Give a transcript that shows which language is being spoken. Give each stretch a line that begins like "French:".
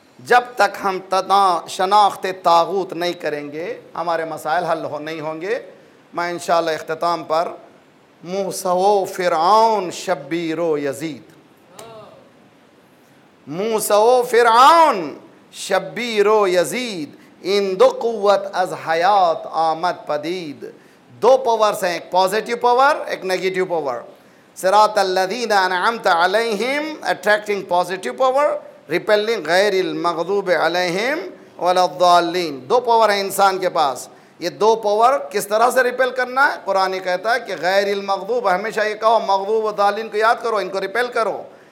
Urdu: جب تک ہم شناخت طاغوت نہیں کریں گے، ہمارے مسائل حل نہیں ہوں گے. میں انشاءاللہ اختتام پر،
Persian: موسیٰ و فرعون شبیر و یزید،
Urdu: موسیٰ و فرعون شبیر و یزید،
Persian: این دو قوت از حیات آمد پدید.
Urdu: دو پاورز ہیں، ایک پازیٹیو پاور ایک نیگیٹیو پاور.
Arabic: صراط الذین انعمت علیہم
English: attracting positive power, repelling
Arabic: غیر المغضوب علیہم ولا الضالین.
Urdu: دو پاور ہیں انسان کے پاس، یہ دو پاور کس طرح سے ریپیل کرنا ہے؟ قرآن کہتا ہے کہ
Arabic: غیر المغضوب،
Urdu: ہمیشہ یہ کہو
Arabic: مغضوب و ضالین
Urdu: کو یاد کرو، ان کو ریپیل کرو.